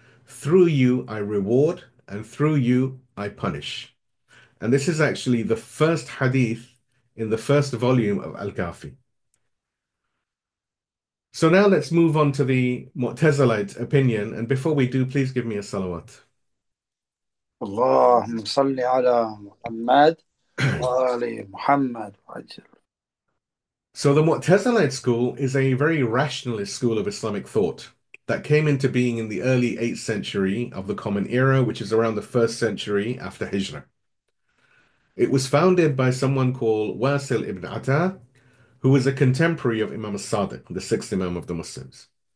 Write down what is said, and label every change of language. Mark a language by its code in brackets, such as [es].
[en] Through you, I reward. And through you, I punish.'" And this is actually the first hadith in the first volume of Al-Kafi. So now let's move on to the Mu'tazilite opinion. And before we do, please give me a salawat. [ar] اللهم صل على محمد وآل محمد وعجل. [en] So the Mu'tazilite school is a very rationalist school of Islamic thought that came into being in the early 8th century of the Common Era, which is around the first century after Hijrah. It was founded by someone called Wasil ibn Atta, who was a contemporary of Imam As-Sadiq, the sixth Imam of the Muslims.